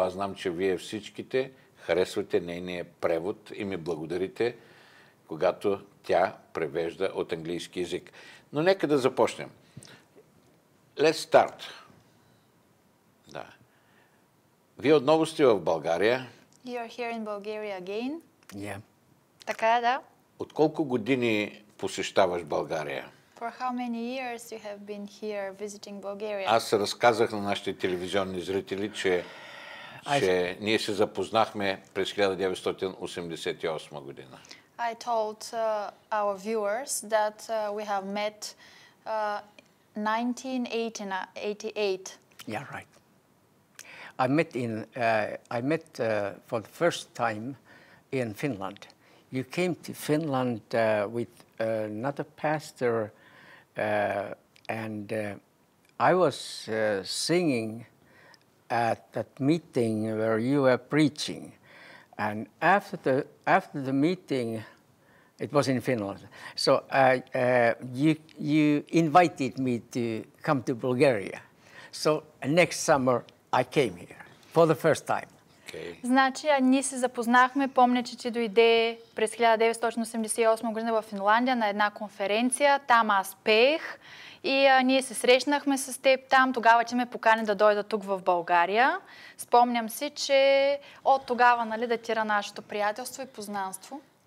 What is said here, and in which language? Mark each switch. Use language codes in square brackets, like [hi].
[bg] Аз знам, че вие всичките харесвате нейния превод и ми благодарите, когато тя превежда от английски език. Но нека да започнем. [en] Let's start. [bg] Да. Вие отново сте в България. [en] You are here in Bulgaria again. Yeah. [bg] Така е, да. От колко години посещаваш България? [en] For how many years you have been here visiting Bulgaria? [bg] Аз разказах на нашите телевизионни зрители, че ние се запознахме през 1988 година. [en] I told our viewers that we have met 1988. Yeah, right. I met for the first time in Finland. You came to Finland with another pastor, and I was singing at that meeting where you were preaching, and after the meeting. It was in Finland. So you invited me to come to Bulgaria. So next summer I came here for the first time. OK. Okay. [bg] Значи, а ние се запознахме, помня, че ти дойде през 1988 година в Финландия на една конференция, там аз пех и ние се срещнахме с теб там, тогава ти ме покани да дойда тук в България. Спомням си, че от тогава, нали, датира нашето приятелство и познанство.